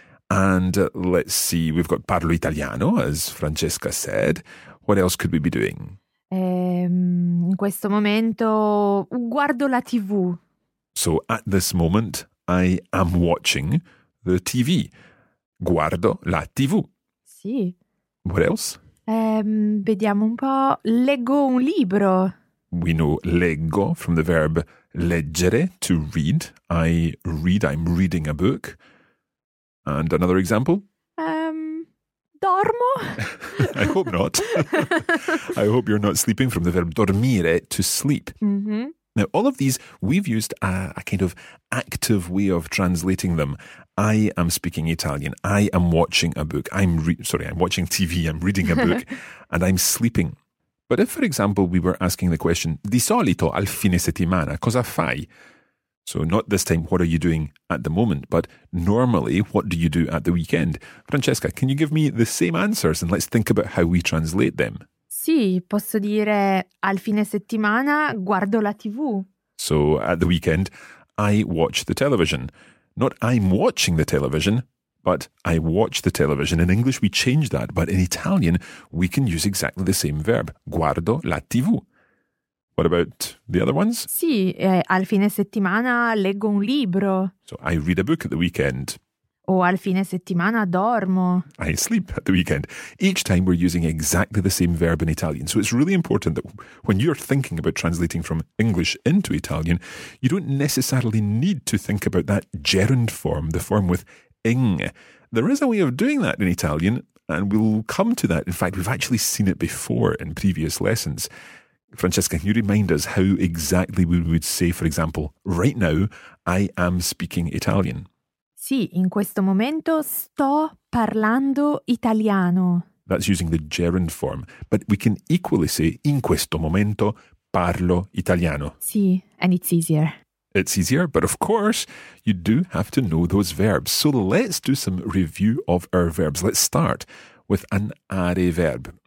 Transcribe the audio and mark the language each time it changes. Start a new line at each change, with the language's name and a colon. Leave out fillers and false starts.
English: And let's see, we've got
Italian: parlo italiano,
English: as Francesca said. What else could we be doing?
Italian: In questo momento guardo la TV.
English: So at this moment I am watching the TV.
Italian: Guardo la TV. Sì.
English: What else?
Italian: Vediamo un po'. Leggo un libro.
English: We know leggo from the verb leggere, to read. I read, I'm reading a book. And another example?
Italian: Dormo?
English: I hope not. I hope you're not sleeping, from the verb dormire, to sleep. Mm-hmm. Now, all of these, we've used a kind of active way of translating them. I am speaking Italian. I am watching a book. I'm watching TV. I'm reading a book and I'm sleeping. But if, for example, we were asking the question,
Italian: di solito al fine settimana, cosa fai?
English: So not this time, what are you doing at the moment? But normally, what do you do at the weekend? Francesca, can you give me the same answers and let's think about how we translate them?
Italian: Sì, posso dire al fine settimana guardo la TV.
English: So at the weekend, I watch the television. Not I'm watching the television, but I watch the television. In English, we change that. But in Italian, we can use exactly the same verb.
Italian: Guardo la TV.
English: What about the other ones?
Italian: Sì, al fine settimana leggo un libro.
English: So I read a book at the weekend.
Italian: O al fine settimana dormo.
English: I sleep at the weekend. Each time we're using exactly the same verb in Italian. So it's really important that when you're thinking about translating from English into Italian, you don't necessarily need to think about that gerund form, the form with ing. There is a way of doing that in Italian, and we'll come to that. In fact, we've actually seen it before in previous lessons. Francesca, can you remind us how exactly we would say, for example, right now, I am speaking Italian?
Italian: Sì, in questo momento sto parlando italiano.
English: That's using the gerund form. But we can equally say,
Italian: in questo momento parlo italiano.
English: Sì, and it's easier. It's easier, but of course, you do have to know those verbs. So let's do some review of our verbs. Let's start with an are verb.